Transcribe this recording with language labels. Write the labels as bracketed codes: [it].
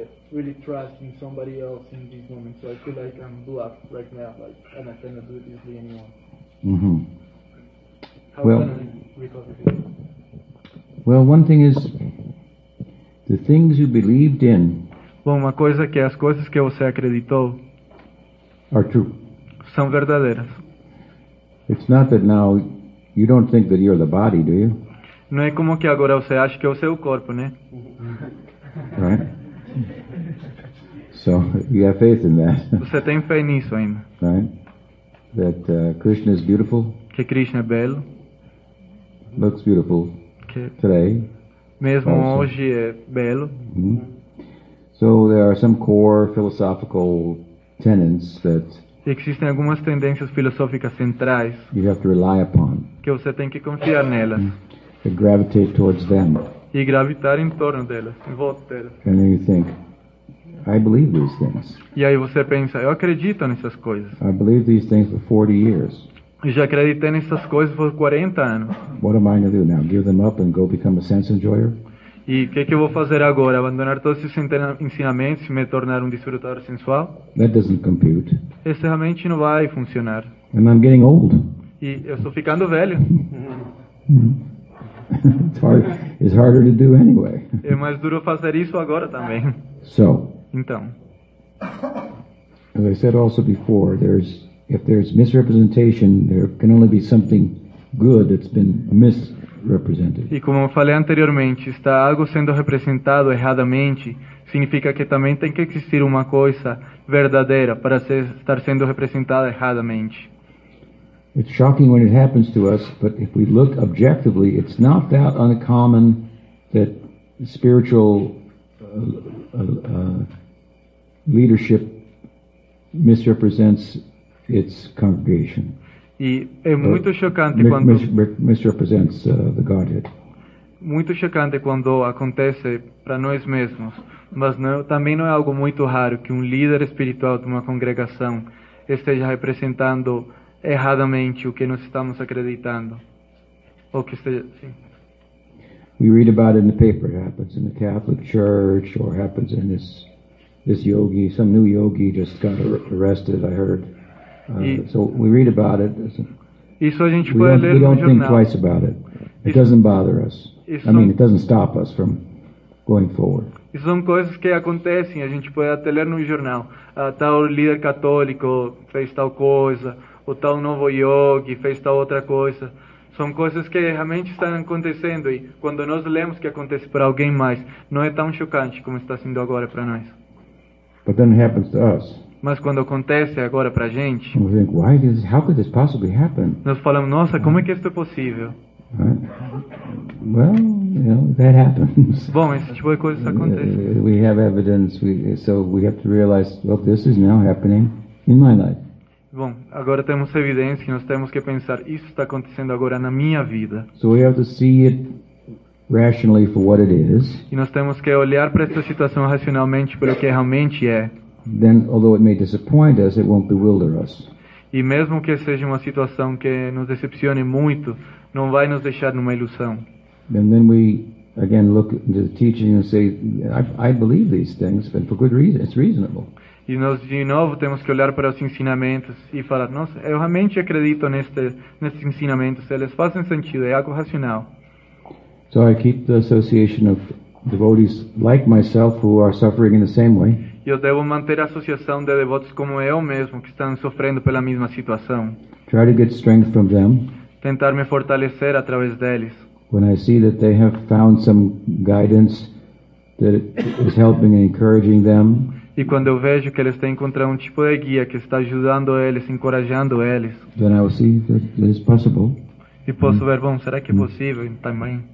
[en] really trust in somebody else in this moment. So I feel like I'm blocked right now, like, and I cannot do this with anyone. Mm-hmm. How can I recover? One thing is the things you believed in. [pt] Bom, uma coisa que é as coisas que você acreditou [en] are true. [pt] São verdadeiras. [en] It's not that now you don't think that you're the body, do you? [pt] Não é como que agora você acha que você é o corpo, né? [en] Right? So, you have faith in that. [pt] Você tem fé nisso ainda. [en] Right? That Krishna is beautiful. [pt] Que Krishna é belo. [en] Looks beautiful [pt] que [en] today. [pt] Mesmo also. Hoje é belo. Mm-hmm. [en] So, there are some core philosophical tenets that [pt] existem algumas tendências filosóficas centrais [en] you have to rely upon. [pt] Que você tem que confiar nelas. [en] To gravitate towards them. [pt] E gravitar em torno delas, em volta delas. [en] And then you think, I believe these things. [pt] E aí você pensa, eu acredito nessas coisas. [en] I believe these things for 40 years. [pt] E já acreditei nessas coisas por 40 anos. [en] What am I going to do now? Give them up and go become a sense enjoyer? [pt] E o que eu vou fazer agora? Abandonar todos esses ensinamentos e me tornar um desfrutador sensual? [en] That doesn't compute. [pt] Isso realmente não vai funcionar. [en] And I'm getting old. [pt] E eu estou ficando velho. [en] It's harder to do anyway. [pt] É mais duro fazer isso agora também. [en] So. [pt] Então. [en] As I said also before, if there's misrepresentation, there can only be something good that's been misrepresented. [pt] E como eu falei anteriormente, está algo sendo representado erradamente, significa que também tem que existir uma coisa verdadeira para estar sendo representada erradamente. [en] It's shocking when it happens to us, but if we look objectively, it's not that uncommon that spiritual leadership misrepresents its congregation. [pt] E é muito chocante quando [en] misrepresents the Godhead. [pt] Muito chocante quando acontece para nós mesmos, mas não, também não é algo muito raro que líder espiritual de uma congregação esteja representando erradamente o que nós estamos acreditando. Ou que esteja, sim. [en] We read about it in the paper. It happens in the Catholic Church, or happens in this yogi, some new yogi just got arrested, I heard. So we read about it. [pt] Isso a gente pode ler no jornal. [en] We don't think twice about it. It doesn't bother us. It doesn't stop us from going forward. [pt] Isso são coisas que acontecem. A gente pode até ler no jornal. Tal líder católico fez tal coisa. O tal novo yogi fez tal outra coisa. São coisas que realmente estão acontecendo. E quando nós lemos que acontece para alguém mais, não é tão chocante como está sendo agora para nós. [en] But then it happens to us. [pt] Mas quando acontece agora para a gente, [en] we think, why is this, how could this possibly happen? [pt] Nós falamos, nossa, como é que isso é possível? [en] Right. Well, you know, that happens. [pt] Bom, esse tipo de coisas acontece. [en] We have evidence, so we have to realize, well, this is now happening in my life. [pt] Bom, agora temos evidência que nós temos que pensar, isso está acontecendo agora na minha vida. [en] So we have to see it rationally for what it is. [pt] E nós temos que olhar para essa situação racionalmente pelo que realmente é. [en] Then, although it may disappoint us, it won't bewilder us. [pt] E mesmo que seja uma situação que nos decepcione muito, não vai nos deixar numa ilusão. [en] And then we again look into the teaching and say, I believe these things, but for good reason, it's reasonable. [pt] E nós, de novo, temos que olhar para os ensinamentos e falar, nossa, eu realmente acredito nesses ensinamentos, eles fazem sentido, é algo racional. [en] So I keep the association of devotees like myself who are suffering in the same way. [pt] E eu devo manter a associação de devotos como eu mesmo, que estão sofrendo pela mesma situação. [en] Try to get strength from them. [pt] Tentar me fortalecer através deles. [en] When I see that they have found some guidance that is helping and encouraging them. [pt] E quando eu vejo que eles têm encontrado tipo de guia que está ajudando eles, encorajando eles. [en] Then I will see that it is possible. [pt] E posso ver, bom, será que é possível também?